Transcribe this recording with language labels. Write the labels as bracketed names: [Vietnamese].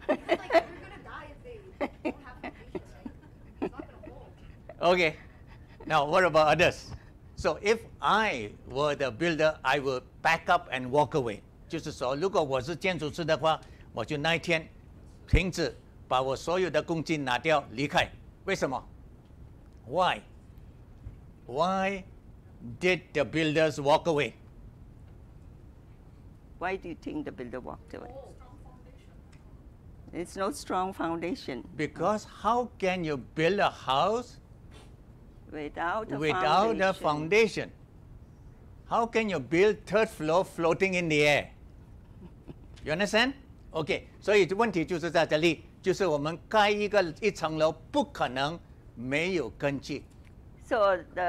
[English] Like, you're going to die if they don't have foundation, right? It's not going to hold. Okay, now what about others? So if I were the builder, I would back up and walk away. [Chinese] 就是说，如果我是建筑师的话，我就那一天 停止，把我所有的工具拿掉，离开。为什么？ [English] Why? Why did the builders walk away? Why do you think the builder walked away? Strong it's no strong foundation. Because how can you build a house without a foundation? How can you build third floor floating in the air? You understand? [Chinese] Okay, 所以问题就是在这里，就是我们盖一个一层楼，不可能没有根基。So